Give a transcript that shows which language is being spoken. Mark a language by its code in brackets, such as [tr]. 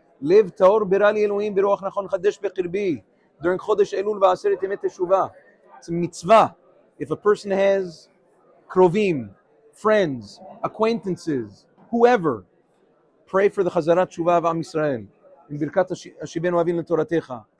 [he] לב טהור ברא לי אלוהים ברוח נכון חדש בקרבי. [en] During [he] חודש אלול ועשרת ימי תשובה. [en] It's a mitzvah. If a person has krovim, friends, acquaintances, whoever, pray for the [he] חזרת תשובה [en] of עם ישראל. [he] In ברכת השיבנו אבינו לתורתך.